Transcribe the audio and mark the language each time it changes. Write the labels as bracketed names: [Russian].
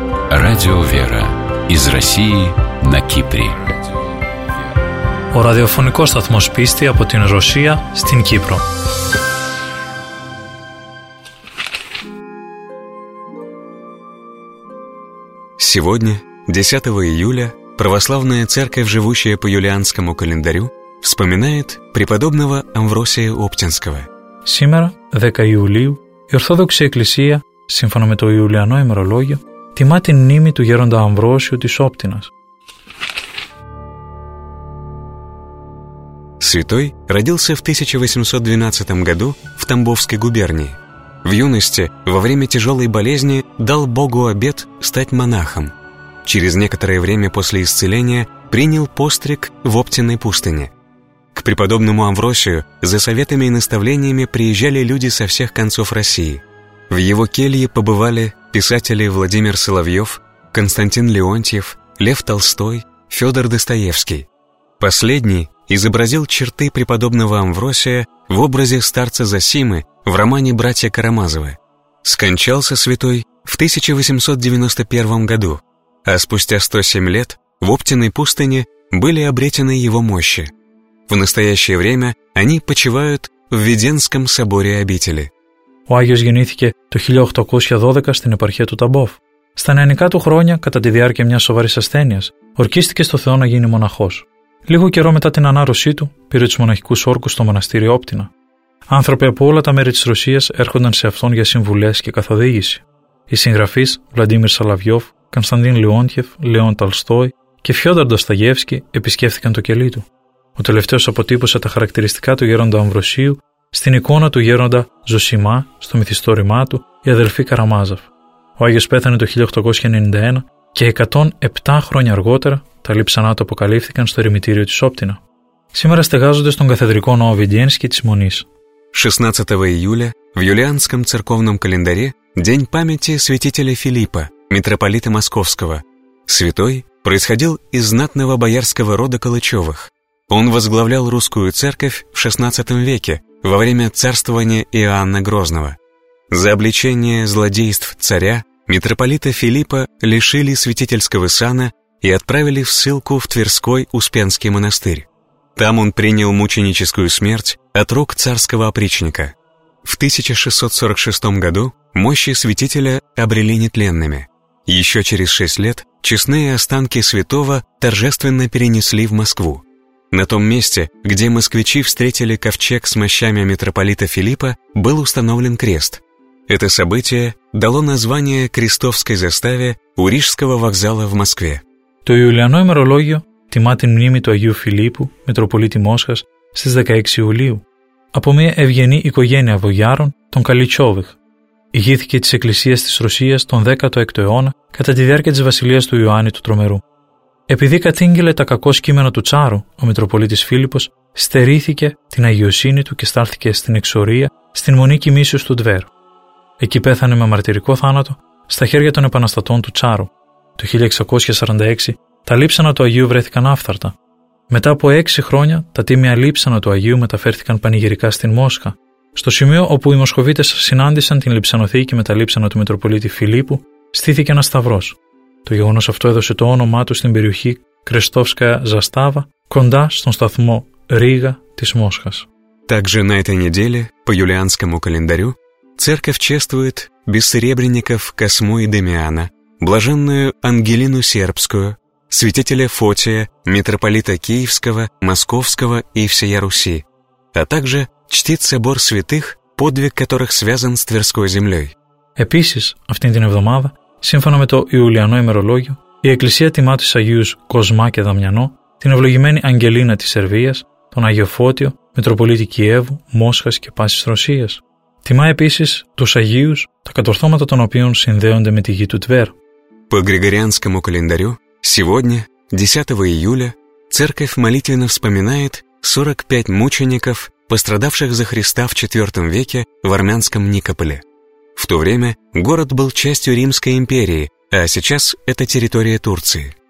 [Russian] Радио «Вера» из России на Кипре. [Greek] Ο ραδιοφωνικός σταθμός πίστη από την Ρωσία στην Κύπρο. [Russian] Сегодня, 10 июля, Православная Церковь, живущая по юлианскому календарю, вспоминает преподобного Амвросия Оптинского. Сегодня, 10 июля, [Greek] η Ορθόδοξη Εκκλησία, σύμφωνα με το Ιουλιανό ημερολόγιο, τιμά την μνήμη του γέροντα Αμβρόσιου της Όπτινας. [Russian] Святой родился в 1812 году в Тамбовской губернии. В юности, во время тяжелой болезни, дал Богу обет стать монахом. Через некоторое время после исцеления принял постриг в Оптиной пустыне. К преподобному Амвросию за советами и наставлениями приезжали люди со всех концов России. В его келье побывали писатели Владимир Соловьев, Константин Леонтьев, Лев Толстой, Федор Достоевский. Последний изобразил черты преподобного Амвросия в образе старца Зосимы в романе «Братья Карамазовы». Скончался святой в 1891 году, а спустя 107 лет в Оптиной пустыне были обретены его мощи. В настоящее время они почивают в Веденском соборе обители. [Greek] Ο Άγιος γεννήθηκε το 1812 στην επαρχία του Ταμπόφ. Στα νεανικά του χρόνια, κατά τη διάρκεια μιας σοβαρής ασθένειας, ορκίστηκε στο Θεό να γίνει μοναχός. Λίγο καιρό μετά την ανάρρωσή του, πήρε τους μοναχικούς όρκους στο μοναστήρι Όπτινα. Άνθρωποι από όλα τα μέρη της Ρωσίας έρχονταν σε αυτόν για συμβουλές και καθοδήγηση. Οι συγγραφείς Βλαντίμιρ Σαλαβιόφ, Κωνσταντίν Λεόντιεφ, Λέων Ταλστόι και Φιόδωρ Νταστογεύσκι επισκέφθηκαν το κελί του. Ο τελευταίος αποτύπωσε τα χαρακτηριστικά του γέροντα Αμβροσίου στην εικόνα του γέροντα Ζωσιμά στο μυθιστόρημά του «Η αδελφή Καραμάζαφ». Ο Άγιος πέθανε το 1891 και 107 χρόνια αργότερα τα λείψανά του αποκαλύφθηκαν στο ερημητήριο της Όπτινα. Σήμερα στεγάζονται στον καθεδρικό ναό Βιντιένσκι της Μονής. 16 Ιούλια, [Russian] в юлианском церковном календаре, день памяти святителя Филиппа, митрополита Московского. Святой происходил из знатного боярского рода Калычевых. Он возглавлял русскую церковь в XVI веке, во время царствования Иоанна Грозного. За обличение злодейств царя митрополита Филиппа лишили святительского сана и отправили в ссылку в Тверской Успенский монастырь. Там он принял мученическую смерть от рук царского опричника. В 1646 году мощи святителя обрели нетленными. Еще через 6 лет честные останки святого торжественно перенесли в Москву. На том месте, где москвичи встретили ковчег с мощами митрополита Филиппа, был установлен крест. Это событие дало название крестовской заставе у Рижского вокзала в Москве. [Greek] Το Ιουλιανό ημερολόγιο τιμά την μνήμη του Αγίου Φιλίππου, Μητροπολίτη Μόσχας, στις 16 Ιουλίου, από μια ευγενή οικογένεια βογιάρων, τον Καλιτσόβιχ. Ηγήθηκε της Εκκλησίας της Ρωσίας τον 16ο αιώνα, κατά τη διάρκεια της βασιλείας του Ιωάννη του Τρομερού. Επειδή κατήγγειλε τα κακό κείμενα του τσάρου, ο Μητροπολίτης Φίλιππος στερήθηκε την αγιοσύνη του και στάλθηκε στην εξορία στην Μονή Κοιμήσεως του Τβέρ. Εκεί πέθανε με μαρτυρικό θάνατο στα χέρια των επαναστατών του τσάρου. Το 1646 τα λείψανα του Αγίου βρέθηκαν άφθαρτα. Μετά από 6 χρόνια τα τίμια λείψανα του Αγίου μεταφέρθηκαν πανηγυρικά στην Μόσχα, στο σημείο όπου οι Μοσχοβίτες συνάντησαν την λειψανοθήκη με τα λείψανα του Μητροπολίτη Φιλίππου, στήθηκε ένα σταυρό. Το γεγονός αυτό έδωσε το όνομά του στην περιοχή Κρεστόφσκαια Ζαστάβα, κοντά στον σταθμό Ρίγα της Μόσχας. [Russian] Также на этой неделе, по юлианскому календарю, церковь чествует бессеребренников Космо и Дамиана, блаженную Ангелину Сербскую, святителя Фотия, митрополита Киевского, Московского и всея Руси, а также чтит собор святых, подвиг которых связан с Тверской землей. [Greek] Επίσης, αυτήν την εβδομάδα, σύμφωνα με το Ιουλιανό ημερολόγιο, η Εκκλησία τιμά τους Αγίους Κοσμά και Δαμιανό, την ευλογημένη Αγγελίνα της Σερβίας, τον Άγιο Φώτιο, Μητροπολίτη Κιέβου, Μόσχας και Πάσης Ρωσίας. Τιμά επίσης τους Αγίους, τα κατορθώματα των οποίων συνδέονται με τη γη του Τβέρ. [Russian] По Григорианскому календарю, сегодня, 10 июля, Церковь молитвенно вспоминает 45 мучеников, пострадавших за Христа в IV веке в армянском Никополе. В то время город был частью Римской империи, а сейчас это территория Турции.